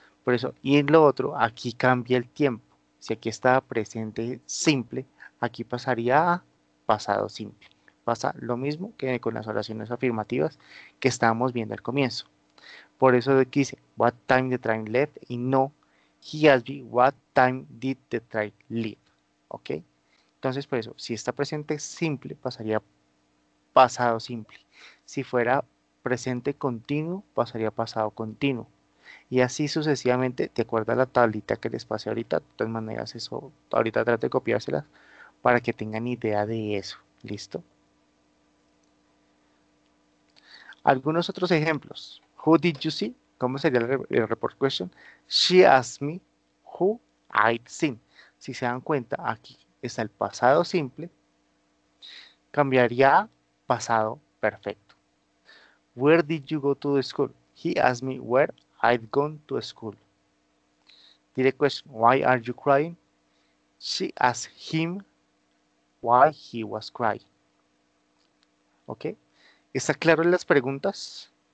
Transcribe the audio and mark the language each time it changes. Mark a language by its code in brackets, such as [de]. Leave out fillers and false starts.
[es] Por eso, y en lo otro, aquí cambia el tiempo. Si aquí estaba presente simple, aquí pasaría a pasado simple. Pasa lo mismo que con las oraciones afirmativas que estábamos viendo al comienzo. Por eso aquí dice, [en] what time the train left? Y no, he asked me, what time did the train leave? ¿Ok? [es] Entonces, por eso, si está presente simple, pasaría pasado simple. Si fuera presente continuo, pasaría pasado continuo. Y así sucesivamente, de acuerdo a la tablita que les pasé ahorita, de todas maneras eso, ahorita trate de copiárselas para que tengan idea de eso. ¿Listo? Algunos otros ejemplos. [en] Who did you see? [es] ¿Cómo sería el report question? [en] She asked me who I'd seen. [es] Si se dan cuenta, aquí está el pasado simple. Cambiaría a pasado perfecto. [en] Where did you go to the school? He asked me where I'd gone to school. Direct question, why are you crying? She asked him why he was crying. ¿Ok? [es] ¿Está claro en las preguntas?